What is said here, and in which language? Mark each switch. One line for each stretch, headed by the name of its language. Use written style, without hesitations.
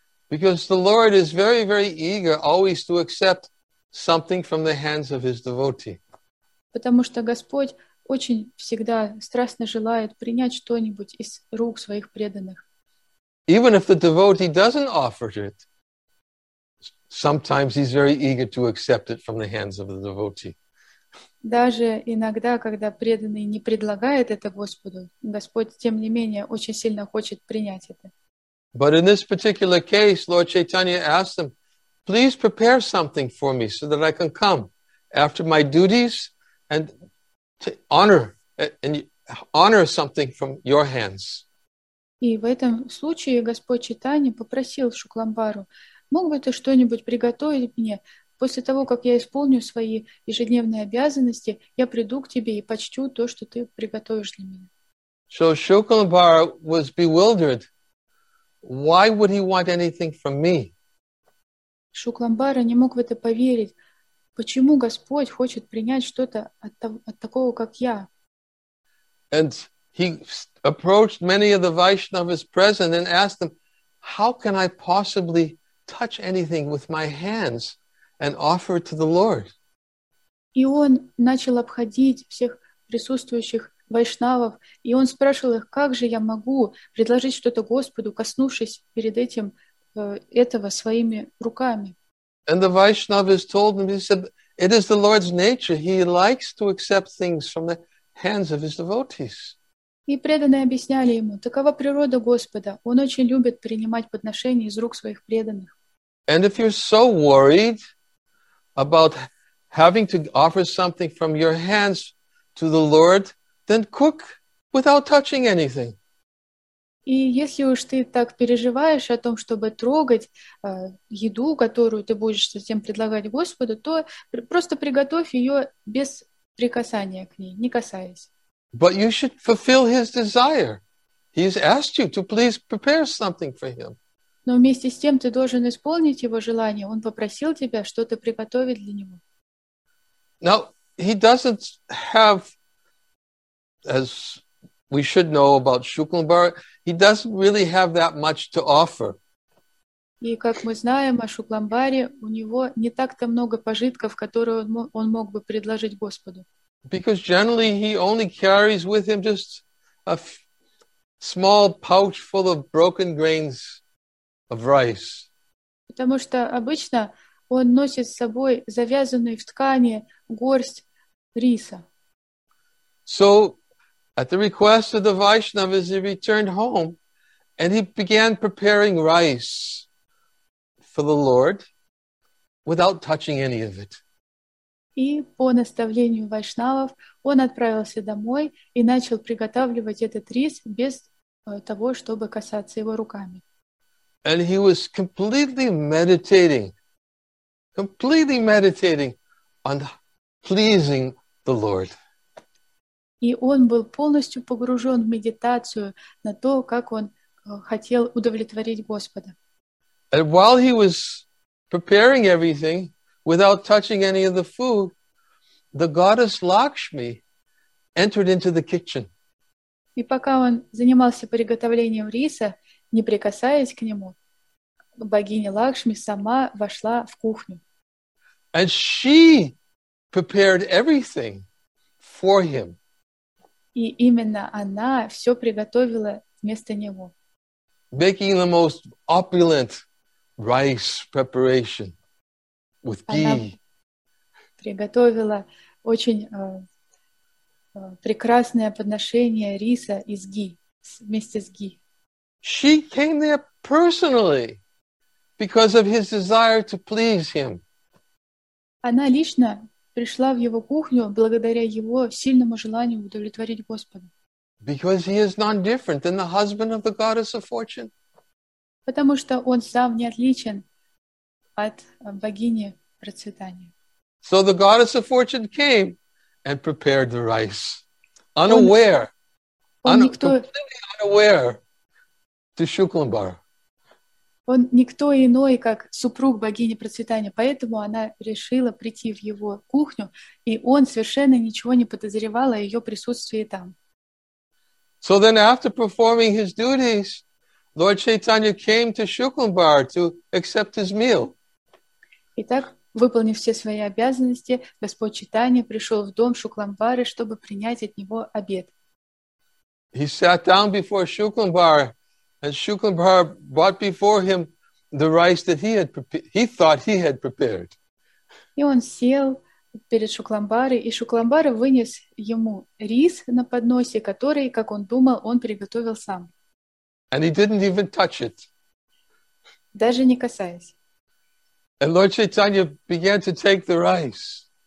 English: Because the Lord is very, very eager always to accept something from the hands of his devotee.
Russian: Потому что Господь очень всегда страстно желает принять что-нибудь из рук своих преданных.
English: Even if the devotee doesn't offer it, sometimes he's very eager to accept it from the hands of the devotee.
Russian: Даже иногда, когда преданный не предлагает это Господу, Господь, тем не менее, очень сильно хочет принять это.
English: But in this particular case, Lord Chaitanya asked them, please prepare something for me so that I can come after my duties and to honor something from your hands.
Russian: И в этом случае Господь Чайтанья попросил Шукламбару, мог бы ты что-нибудь приготовить мне? После того, как я исполню свои ежедневные обязанности, я приду к тебе и почту то, что ты приготовишь для меня.
English: So Shukalambara was bewildered. Why would he want anything from me?
Russian: Шукламбара не мог в это поверить. Почему Господь хочет принять что-то от такого, как я?
English: And he approached many of the Vaishnavas present and asked them, how can I possibly touch anything with my hands and offer it to the Lord?
Russian: И он начал обходить всех присутствующих вайшнавов, и он спрашивал их, как же я могу предложить что-то Господу, коснувшись перед этим этого своими руками.
English: And the Vaishnavas told him, he said, it is the Lord's nature. He likes to accept things from the hands of his devotees.
Russian: И преданные объясняли ему, такова природа Господа. Он очень любит принимать подношения из рук своих преданных.
English: And if you're so worried about having to offer something from your hands to the Lord, then cook without touching anything.
Russian: И если уж ты так переживаешь о том, чтобы трогать еду, которую ты будешь затем предлагать Господу, то просто приготовь ее без прикасания к ней, не касаясь.
English: But you should fulfill his desire. He's asked you to please prepare something for him.
Russian: Но вместе с тем ты должен исполнить его желание. Он попросил тебя что-то приготовить для него.
English: Now, he doesn't have, as we should know about Shukalambara, he doesn't really have that much to offer.
Russian: И как мы знаем о Шукламбаре, у него не так-то много пожитков, которые он мог бы предложить Господу.
English: Because generally he only carries with him just a small pouch full of broken grains of rice.
Russian: Потому что обычно он носит с собой завязанную в ткани горсть риса.
English: So, at the request of the Vaishnavas, he returned home and he began preparing rice for the Lord without touching any of it.
Russian: И по наставлению вайшнавов он отправился домой и начал приготавливать этот рис без того, чтобы касаться его руками.
English: And he was completely meditating on pleasing the Lord.
Russian: И он был полностью погружен в медитацию на то, как он хотел удовлетворить Господа.
English: And while he was preparing everything, without touching any of the food, the goddess Lakshmi entered into the kitchen.
Russian: И пока он занимался приготовлением риса, не прикасаясь к нему, богиня Лакшми сама вошла в кухню.
English: And she prepared everything for him.
Russian: И именно она все приготовила вместо него.
English: Making the most opulent rice preparation. With ghee.
Russian: Она приготовила очень прекрасное подношение риса из ги, вместе с ги.
English: She came there personally because of his desire to please him.
Russian: Она лично пришла в его кухню благодаря его сильному желанию удовлетворить Господа.
English: Because he is none different than the husband of the goddess of fortune.
Russian: Потому что он сам не отличен от богини.
English: So the goddess of fortune came and prepared the rice, unaware, completely unaware to Shukalambara.
Russian: Он никто иной, как супруг богини процветания, поэтому она решила прийти в его кухню, и он совершенно ничего не подозревал о ее присутствии там.
English: So then after performing his duties, Lord Chaitanya came to Shukalambara to accept his meal.
Russian: Итак, выполнив все свои обязанности, Господь Чайтанья пришел в дом Шукламбары, чтобы принять от него обед.
English: He sat down before Shukalambara, and Shukalambara brought before him the rice that he thought he had prepared.
Russian: И он сел перед Шукламбарой, и Шукламбара вынес ему рис на подносе, который, как он думал, он приготовил сам.
English: And he didn't even touch it.
Russian: Даже не касаясь.
English: And Lord Chaitanya began to take the rice.